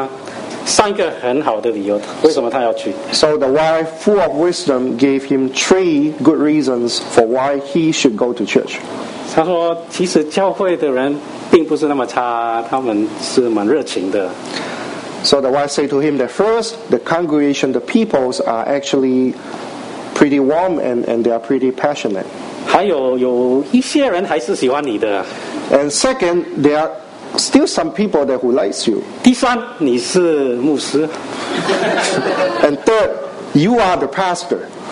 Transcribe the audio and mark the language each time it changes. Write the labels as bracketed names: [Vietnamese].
[Chinese] 那这个太太很有智慧的,给他三个很好的理由,为什么他要去? [English] So the wife, full of wisdom, gave him three good reasons for why he should go to church. [Chinese] 他说,其实教会的人并不是那么差,他们是蛮热情的。 [English] So the wife said to him that first, the congregation, the peoples are actually pretty warm and they are pretty passionate. [Chinese] 还有一些人还是喜欢你的。 [English] And second, there are still some people that who likes you. [Chinese] 第三,你是牧师。 [English] And third, you are the pastor.